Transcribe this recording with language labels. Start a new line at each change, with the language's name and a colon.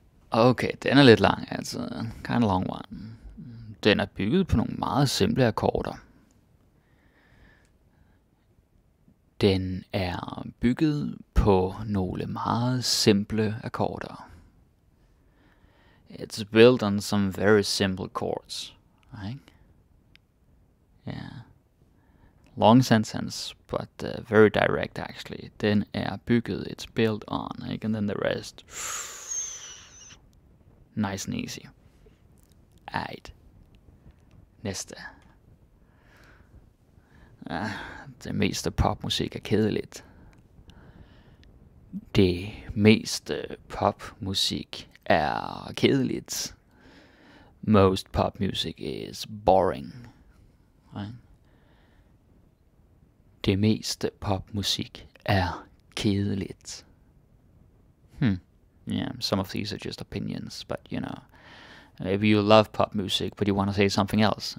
Danish: Okay, den er lidt lang, altså.
English: Kind of long one.
Danish: Den er bygget på nogle meget simple akkorder. Den er bygget på nogle meget simple akkorder.
English: It's built on some very simple chords, right? Yeah. Long sentence, but very direct, actually.
Danish: Den er bygget,
English: it's built on, right? And then the rest. Nice and easy. Alright. Næste.
Danish: Det meste popmusik er kedeligt. Det meste popmusik er kedeligt.
English: Most pop music is boring. Right?
Danish: Det meste popmusik er kedeligt.
English: Yeah, some of these are just opinions, but you know, maybe you love pop music, but you want to say something else.